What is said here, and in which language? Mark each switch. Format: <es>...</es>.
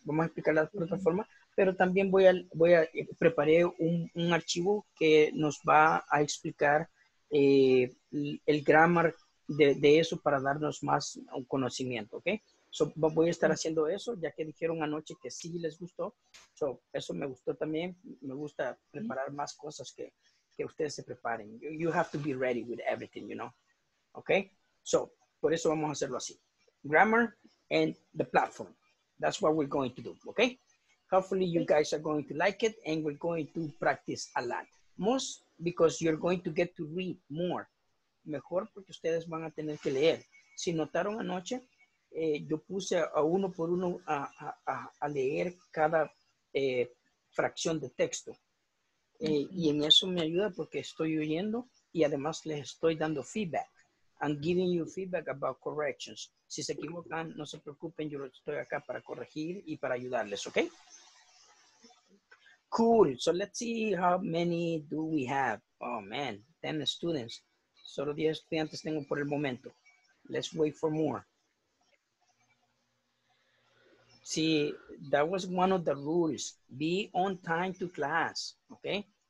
<es>Vamos a explicar la plataforma. Pero también voy a preparar un archivo que nos va a explicar el grammar de eso para darnos más un conocimiento, ¿ok? So, voy a estar haciendo eso, ya que dijeron anoche que sí les gustó. So, eso me gustó también. Me gusta preparar más cosas que ustedes se preparen.</es> <en>You have to be ready with everything, you know?</en> <es>¿Ok? So, por eso vamos a hacerlo así.</es> <en>Grammar and the platform. That's what we're going to do, ¿ok? Hopefully you guys are going to like it and we're going to practice a lot. Most because you're going to get to read more.</en> <es>Mejor porque ustedes van a tener que leer. Si notaron anoche, yo puse a uno por uno a leer cada fracción de texto. Y en eso me ayuda porque estoy oyendo y además les estoy dando feedback.</es> <en>I'm giving you feedback about corrections.</en> <es>Si se equivocan, no se preocupen. Yo estoy acá para corregir y para ayudarles, ¿ok?</es> <en>Cool. So let's see how many do we have. Oh, man. 10 students.</en> <es>Solo 10 estudiantes tengo por el momento.</es> <en>Let's wait for more. See, that was one of the rules. Be on time to class, okay?</en>